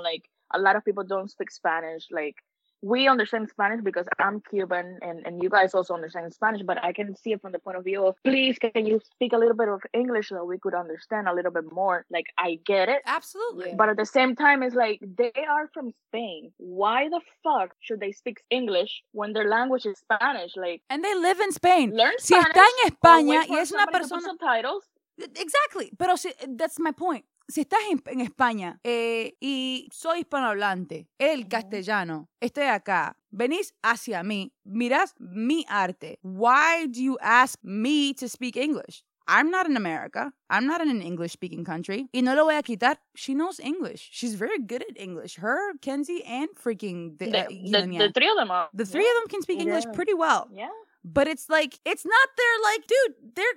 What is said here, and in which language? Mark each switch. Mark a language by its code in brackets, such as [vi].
[en] Like, a lot of people don't speak Spanish. Like, we understand Spanish because I'm Cuban and you guys also understand Spanish, but I can see it from the point of view of, please, can you speak a little bit of English so we could understand a little bit more? Like, I get it. Absolutely. But at the same time, it's like, they are from Spain. Why the fuck should they speak English when their language is Spanish? Like, and they live in Spain. Learn Spanish. [es] Si está en España y es una persona. [en] Subtitles. Exactly. [es] Pero si, [en] that's my point. [es] Si estás en España y soy hispanohablante, el castellano, estoy acá, venís hacia mí, miras mi arte. [en] Why do you ask me to speak English? I'm not in America. I'm not in an English-speaking country. [es] Y no lo voy a quitar. [en] She knows English. She's very good at English. Her, Kenzie, and freaking... The three of them can speak English pretty well. Yeah. But it's like, it's not their, like, dude, they're